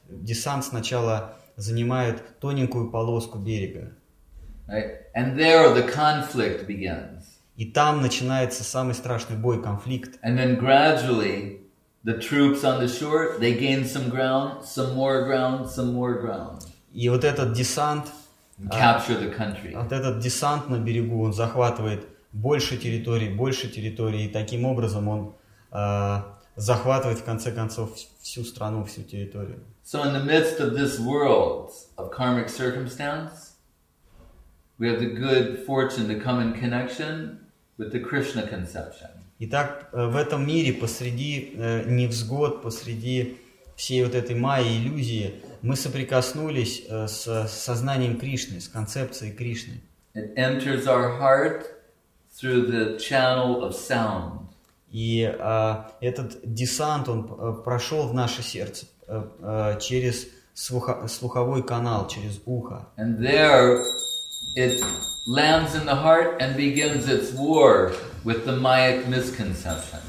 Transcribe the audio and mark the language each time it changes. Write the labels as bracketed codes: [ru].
[ru] Десант сначала занимает тоненькую полоску берега. [en] Right. And there the conflict begins. [ru] И там начинается самый страшный бой, конфликт. [en] And then gradually the troops on the shore, they gain some ground, some more ground, some more ground. [ru] И вот этот десант, [en] capture the country. [ru] Вот этот десант на берегу, он захватывает больше территории, и таким образом он захватывает в конце концов всю страну, всю территорию. [en] So in the midst of this world of karmic circumstance, we have the good fortune to come in connection with the Krishna conception. [ru] Итак, в этом мире посреди невзгод, посреди всей вот этой майи, иллюзии, мы соприкоснулись с сознанием Кришны, с концепцией Кришны. [en] It enters our heart through the channel of sound. [ru] И этот десант, он прошел в наше сердце через слуховой канал, через ухо. [en] And there it lands in the heart and begins its war with the mayic misconception.